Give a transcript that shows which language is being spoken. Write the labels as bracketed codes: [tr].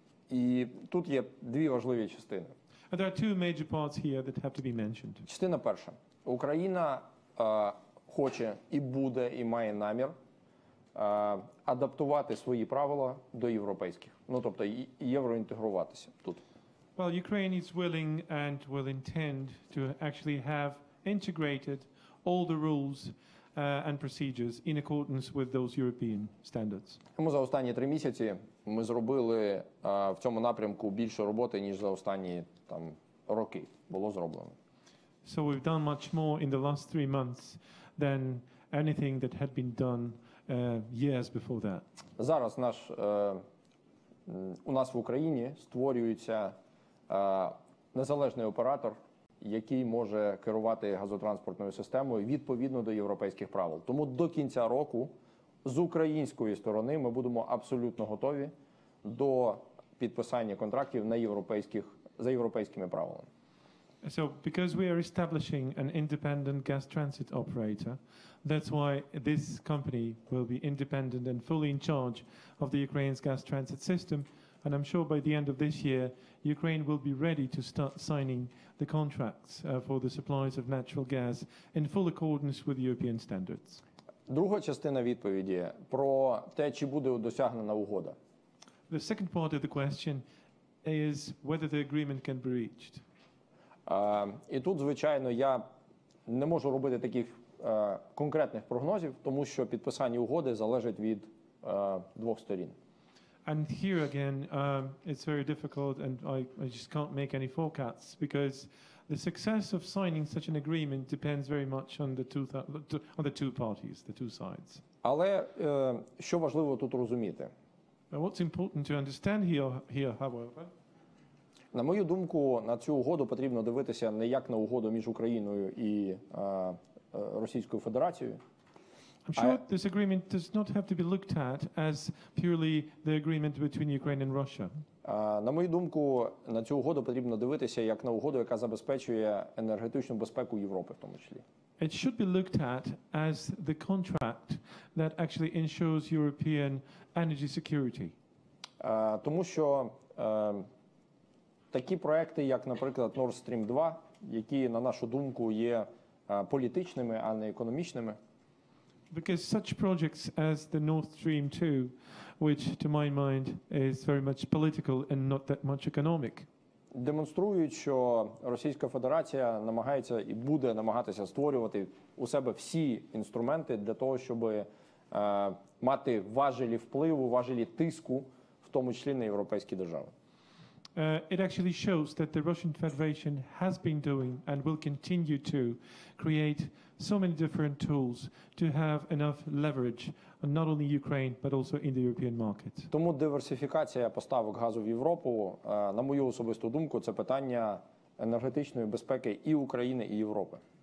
[uk] І тут є дві важливі частини. [en] And there are two major parts here that have to be mentioned. [uk] Частина перша. Україна хоче і буде, і має намір адаптувати свої правила до європейських. Ну, тобто, євроінтегруватися тут. [en] Well, Ukraine is willing and will intend to actually have integrated all the rules and procedures in accordance with those European standards. [uk] Тому за останні три місяці ми зробили в цьому напрямку більше роботи, ніж за останні там роки було зроблено. [en] So we've done much more in the last three months than anything that had been done years before that. [uk] Зараз наш у нас в Україні створюється незалежний оператор, який може керувати газотранспортною системою відповідно до європейських правил. Тому до кінця року з української сторони ми будемо абсолютно готові до підписання контрактів на європейських за європейськими правилами. [en] So because we are establishing an independent gas transit operator, that's why this company will be independent and fully in charge of the Ukraine's gas transit system. And I'm sure by the end of this year, Ukraine will be ready to start signing the contracts for the supplies of natural gas in full accordance with European standards. [uk] Друга частина відповіді про те, чи буде досягнена угода. [en] The second part of the question is whether the agreement can be reached. [uk] І тут, звичайно, я не можу робити таких конкретних прогнозів, тому що підписання угоди залежить від двох сторін. [en] And here again, it's very difficult, and I just can't make any forecasts because the success of signing such an agreement depends very much on the two parties, the two sides. [uk] Але що важливо тут розуміти? [en] But what's important to understand here, however? [uk] На мою думку, на цю угоду потрібно дивитися не як на угоду між Україною і Російською Федерацією. [en] I'm sure this agreement does not have to be looked at as purely the agreement between Ukraine and Russia. [uk] На мою думку, на цю угоду потрібно дивитися як на угоду, яка забезпечує енергетичну безпеку Європи в тому числі. [en] It should be looked at as the contract that actually ensures European energy security. [uk] Тому що такі проекти, як, наприклад, Nord Stream 2, які, на нашу думку, є політичними, а не економічними. [en] Because such projects as the Nord Stream 2, which, to my mind, is very much political and not that much economic. [uk] Демонструють, що Російська Федерація намагається і буде намагатися створювати у себе всі інструменти для того, щоб мати важелі впливу, важелі тиску, в тому числі на європейські держави. [en] It actually shows that the Russian Federation has been doing and will continue to create so many different tools to have enough leverage on not only Ukraine, but also in the European market. [uk] Тому диверсифікація поставок газу в Європу, на мою особисту думку, це питання енергетичної безпеки і України, і Європи.